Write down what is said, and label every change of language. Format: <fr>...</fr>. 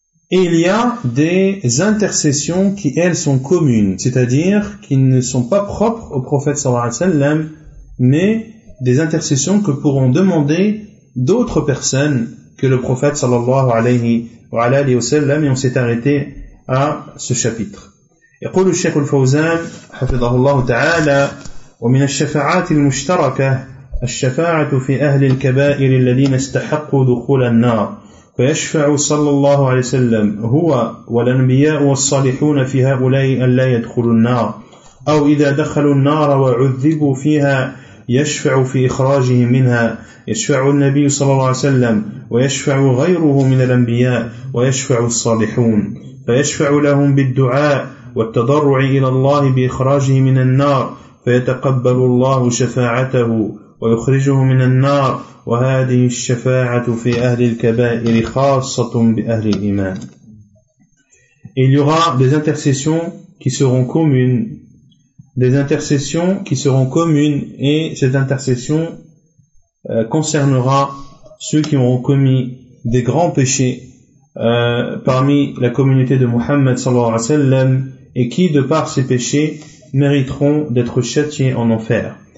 <fr>Et il y a des intercessions qui, elles, sont communes, c'est-à-dire qui ne sont pas propres au prophète sallallahu alayhi wa sallam, mais des intercessions que pourront demander d'autres personnes que le prophète sallallahu alayhi wa sallam, et on s'est arrêté à ce chapitre.</fr> <ar>يقول الشيخ الفوزان حفظه الله تعالى ومن الشفاعات المشتركة الشفاعة في أهل الكبائر الذين استحقوا دخول النار فيشفع صلى الله عليه وسلم هو والأنبياء والصالحون في هؤلاء أن لا يدخلوا النار أو إذا دخلوا النار وعذبوا فيها يشفع في إخراجهم منها يشفع النبي صلى الله عليه وسلم ويشفع غيره من الأنبياء ويشفع الصالحون فيشفع لهم بالدعاء والتضرع إلى الله بإخراجه من النار فيتقبل الله شفاعته ويخرجه من النار وهذه الشفاعة في أهل الكبائر خاصة بأهل الإيمان.</ar> <fr>Il y aura des intercessions qui seront communes, des intercessions qui seront communes, et cette intercession concernera ceux qui auront commis des grands péchés parmi la communauté de Muhammad sallallahu alayhi wa sallam, et qui, de par ses péchés, mériteront d'être châtiés en enfer.</fr>